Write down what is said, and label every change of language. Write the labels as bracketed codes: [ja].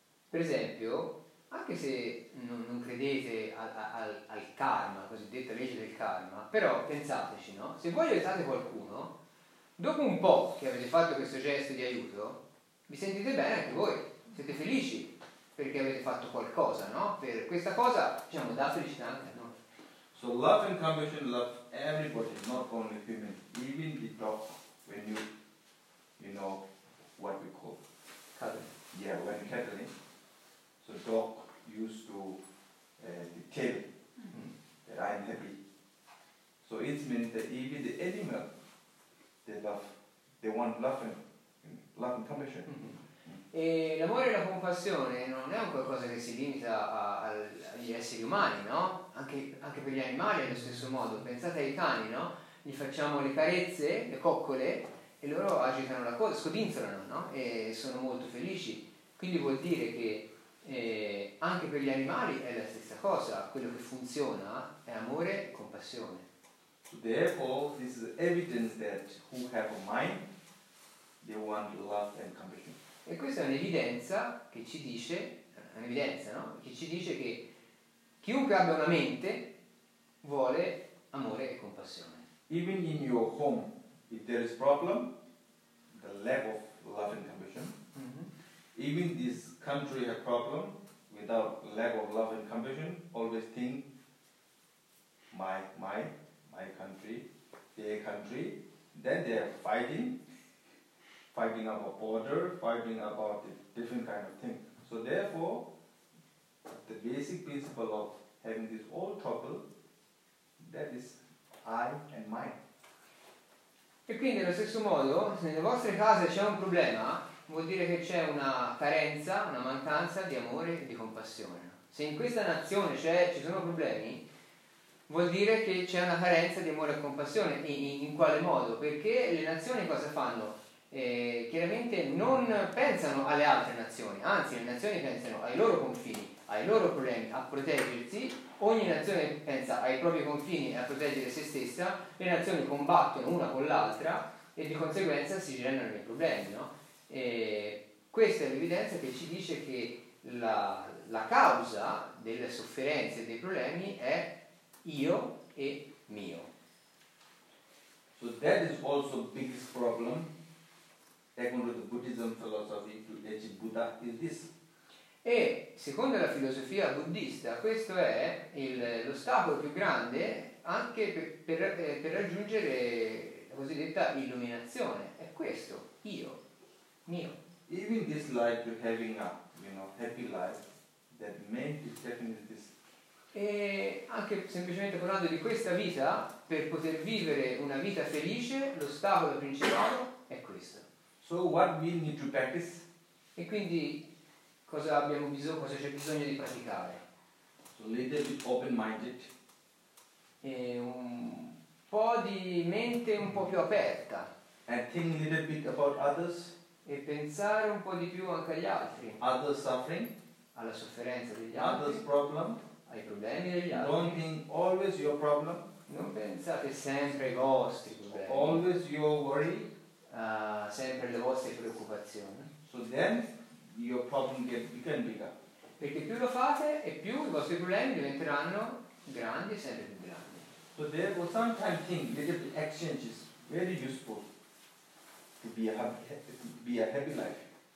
[it] Per esempio, anche se non credete al karma, cosiddetta legge del karma, però pensateci, no? Se voi aiutate qualcuno, dopo un po' che avete fatto questo gesto di aiuto, vi sentite bene anche voi, siete felici perché avete fatto qualcosa, no? Per questa cosa, diciamo, dà felicità anche a noi. [en] So love and compassion love everybody, not only human, even the dog, when you know what we call cuddling. Yeah, when cuddling. So dog used to the tail that I'm happy. So it means that even the animal they love, they want love and Love and compassion. Mm-hmm. [it] E l'amore e la compassione non è un qualcosa che si limita agli esseri umani, no? Anche per gli animali è allo stesso modo. Pensate ai cani, no? Gli facciamo le carezze, le coccole, e loro agitano la coda, scodinzolano, no? E sono molto felici. Quindi vuol dire che anche per gli animali è la stessa cosa. Quello che funziona è amore e compassione. [en] Therefore, this is evidence that who have a mind, they want love and compassion. [it] E questa è un'evidenza che ci dice, un'evidenza, no? Che ci dice che chiunque abbia una mente vuole amore e compassione. [en] Even in your home, if there is problem, the lack of love and compassion. Mm-hmm. Even this country has problem, without lack of love and compassion, always think my country, their country, then they are fighting. Fighting about border, fighting about a different kind of thing. So therefore, the basic principle of having this all trouble, that is I and mine. [it] E quindi nello stesso modo, se nelle vostre case c'è un problema, vuol dire che c'è una carenza, una mancanza di amore e di compassione. Se in questa nazione ci sono problemi, vuol dire che c'è una carenza di amore e compassione. In quale modo? Perché le nazioni cosa fanno? Chiaramente non pensano alle altre nazioni, anzi le nazioni pensano ai loro confini, ai loro problemi, a proteggersi. Ogni nazione pensa ai propri confini e a proteggere se stessa. Le nazioni combattono una con l'altra e di conseguenza si generano dei problemi, no? Questa è l'evidenza che ci dice che la causa delle sofferenze e dei problemi è io e mio. [en] So that is also biggest problem. According to the Buddhism philosophy, to achieve Buddha is this. [it] E secondo la filosofia buddista, questo è l'ostacolo più grande anche per raggiungere la cosiddetta illuminazione. È questo, io, mio. [en] Even this life you're having a, you know, happy life, that meant is definitely this. [it] E anche semplicemente parlando di questa vita, per poter vivere una vita felice, l'ostacolo principale è questo. [en] So what we need to practice? [it] E quindi cosa c'è bisogno di praticare? [en] So little bit open-minded. [it] E un po' di mente un po' più aperta. [en] And think a little bit about others. [it] E pensare un po' di più anche agli altri. [en] Others suffering. [it] Alla sofferenza degli altri. [en] Others problem. [it] Ai problemi degli altri. [en] Don't think always your problem. [it] Non pensate sempre ai vostri problemi. [en] Always your worry. [it] Sempre le vostre preoccupazioni. [en] So then your problem get bigger and bigger. [it] Perché più lo fate e più i vostri problemi diventeranno grandi e sempre più grandi. [en] So therefore sometimes think little actions is very useful to be a happy life.